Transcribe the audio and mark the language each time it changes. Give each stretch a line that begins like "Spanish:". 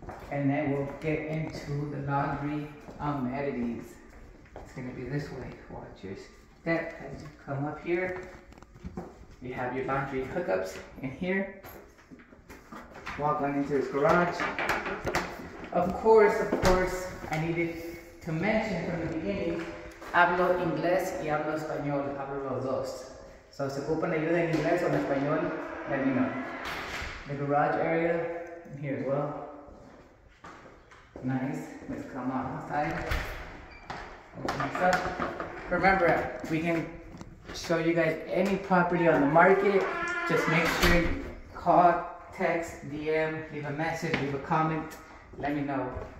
English: And then we'll get into the laundry amenities. It's going to be this way. Watch your step as you come up here. You have your laundry hookups in here. Walk on into this garage. Of course, I needed to mention from the beginning,
Spanish: hablo inglés y hablo español. Hablo los dos. So, se ocupan ayuda en inglés o en español,
English: let me know. The garage area in here as well. Nice, let's come on outside. Open this up. Remember, we can show you guys any property on the market. Just make sure you call, text, DM, leave a message, leave a comment, let me know.